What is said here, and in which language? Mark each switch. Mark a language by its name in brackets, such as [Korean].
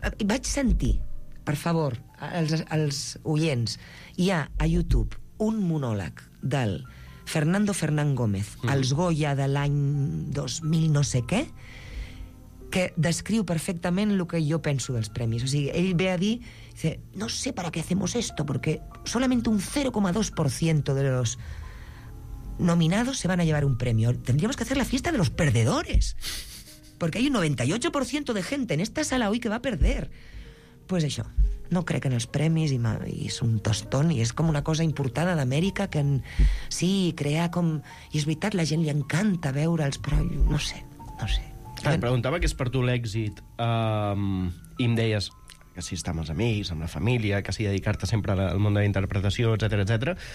[Catalan] Vaig sentir, per favor, els oients, hi ha a YouTube un monòleg del Fernando Fernán Gómez, els Goya de l'any 2000 no sé què, que descriu perfectament el que jo penso dels premis. O sigui, ell ve a dir, [Spanish] dice, no sé para qué hacemos esto, porque solamente un 0,2% de los nominados se van a llevar un premio. Tendríamos que hacer la fiesta de los perdedores, porque hay un 98% de gente en esta sala hoy que va a perder. [Catalan] Pues això, no crec en els premis i és un tostón i és com una cosa importada d'Amèrica que en... sí, crea com... I és veritat, la gent li encanta veure'ls, però no sé, no sé. Ah, em preguntava què és per tu l'èxit i em deies que si està amb els amics, amb la família, que si dedicar-te sempre al món de la interpretació, etc etc.